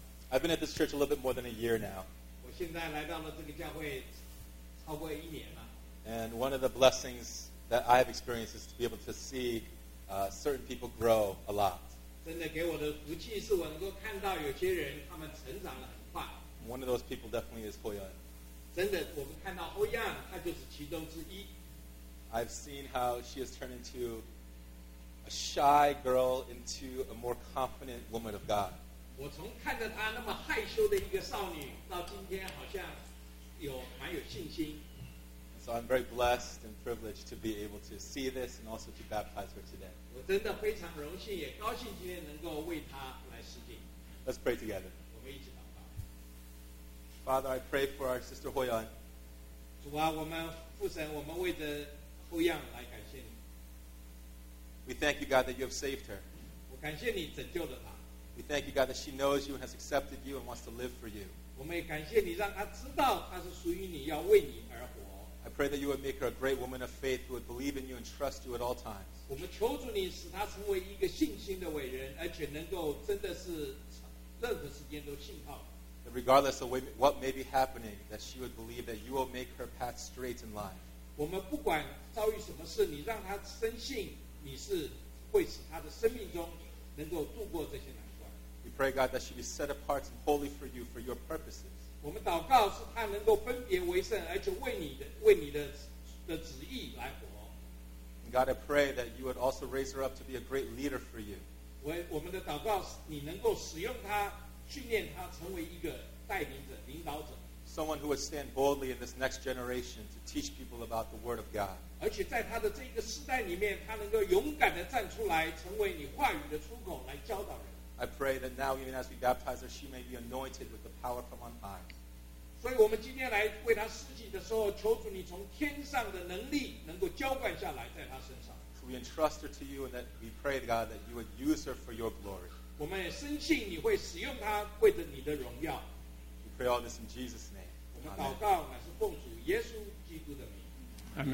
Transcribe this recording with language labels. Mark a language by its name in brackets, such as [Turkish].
[English] I've been at this church a little bit more than a year now. [Chinese] 我现在来到了这个教会超过一年了。 [English] And one of the blessings that I have experienced is to be able to see certain people grow a lot. [Chinese] 真的给我的福气是我能够看到有些人他们成长得很快。 [English] One of those people definitely is Ho Yan. [Chinese] 真的我们看到 Ho Yan 他就是其中之一。 [English] I've seen how she has turned into a shy girl into a more confident woman of God. [Chinese] 我从看着她那么害羞的一个少女到今天好像有蛮有信心。 [English] So I'm very blessed and privileged to be able to see this and also to baptize her today. [Chinese] 我真的非常荣幸，也高兴今天能够为她来施浸。 [English] Let's pray together. [Chinese] 我们一起祷告。 [English] Father, I pray for our sister Ho Yan. [Chinese] 主啊，我们父神，我们为着 Ho Yan 来感谢你。 [English] We thank you, God, that you have saved her. [Chinese] 我感谢你拯救了她。 [English] We thank you, God, that she knows you and has accepted you and wants to live for you. [Chinese] 我们也感谢你让她知道她是属于你，要为你而活。 [English] I pray that you would make her a great woman of faith who would believe in you and trust you at all times. [Chinese] 我们求主你使她成为一个信心的伟人，而且能够真的是任何时间都信靠。 [English] That regardless of what may be happening, that she would believe that you will make her path straight in life. [Chinese] 我们不管遭遇什么事，你让她深信你是会使她的生命中能够度过这些难关。 [English] We pray, God, that she be set apart and holy for you for your purposes. [Chinese] 我们祷告是他能够分别为圣，而且为你的旨意来活。 [English] God, I pray that you would also raise her up to be a great leader for you. [Chinese] 我们的祷告是你能够使用他，训练他成为一个带领者、领导者。 [English] Someone who would stand boldly in this next generation to teach people about the Word of God. [Chinese] 而且在他的这个世代里面，他能够勇敢地站出来，成为你话语的出口，来教导人。 [English] I pray that now, even as we baptize her, she may be anointed with the power from on high. [Chinese] 所以我们今天来为她施洗的时候，求主你从天上的能力能够浇灌下来在她身上。 [English] So we entrust her to you, and that we pray, God, that you would use her for your glory. [Chinese] 我们也深信你会使用她为着你的荣耀。 [English] We pray all this in Jesus' name. [Chinese] 我们祷告乃是奉主耶稣基督的名。